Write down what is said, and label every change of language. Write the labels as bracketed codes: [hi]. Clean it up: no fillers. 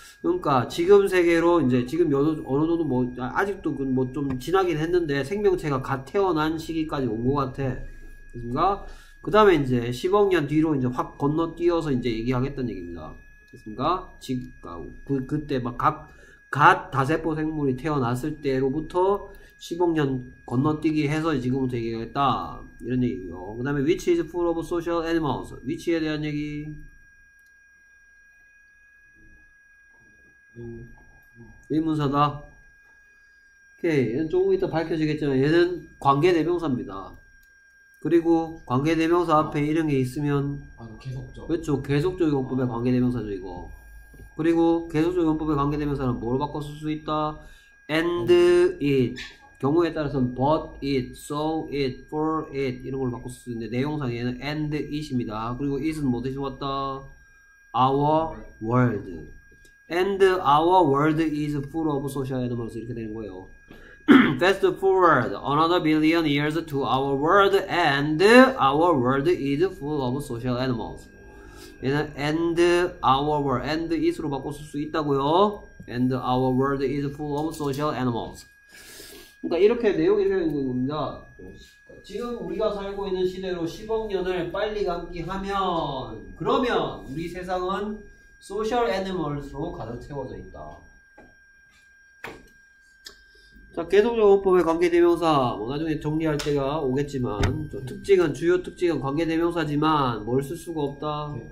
[ko] 그러니까 지금 세계로 이제 지금 어느 정도 뭐 아직도 뭐 좀 지나긴 했는데 생명체가 갓 태어난 시기까지 온 것 같아. 맞습니까? 그 다음에 이제 10억 년 뒤로 이제 확 건너뛰어서 이제 얘기하겠다는 얘기입니다. 됐습니까? 그때 막 갓 다세포 생물이 태어났을 때로부터 10억 년 건너뛰기 해서 지금부터 얘기하겠다. 이런 얘기고요. 그 다음에 [en] which is full of social animals. [ko] 위치에 대한 얘기. 의문사다. 오케이. 얘는 조금 이따 밝혀지겠지만 얘는 관계 대명사입니다. 그리고 관계대명사 앞에 이런 게 있으면 계속적 그렇죠 계속적 용법의 관계대명사죠 이거 그리고 계속적 용법에 관계되면서는 뭐로 바꿔 쓸 수 있다? [en] And it [ko] 경우에 따라서는 [en] but it, so it, for it [ko] 이런 걸 바꿔 쓸 수 있는데 내용상 얘는 and it입니다. 그리고 it은 뭐 대신 왔다? [en] Our world. And our world is full of social animals [ko] 이렇게 되는 거예요. [en] Fast forward another billion years to our world and our world is full of social animals. [ko] 얘는 [en] and our world and it [ko] 로 바꿔 쓸 수 있다고요. [en] And our world is full of social animals. [ko] 그러니까 이렇게 내용이 되어 있는 겁니다. 지금 우리가 살고 있는 시대로 10억 년을 빨리 감기 하면 그러면 우리 세상은 소셜 애니멀스로 가득 채워져 있다. 자, 계속적 용법의 관계대명사 뭐 나중에 정리할 때가 오겠지만 특징은 주요 특징은 관계대명사지만 뭘 쓸 수가 없다?